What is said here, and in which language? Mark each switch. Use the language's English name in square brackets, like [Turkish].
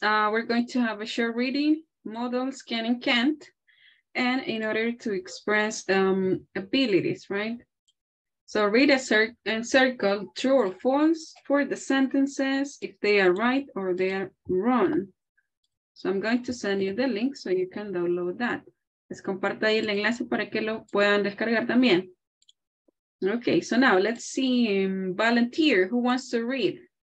[English] We're going to have a short reading, models, can and can't, and in order to express abilities, right? So read a circle, true or false, for the sentences, if they are right or they are wrong. So I'm going to send you the link so you can download that. [Spanish] Les comparto ahí el enlace para que lo puedan descargar también. [English] Okay, so now let's see, volunteer, who wants to read?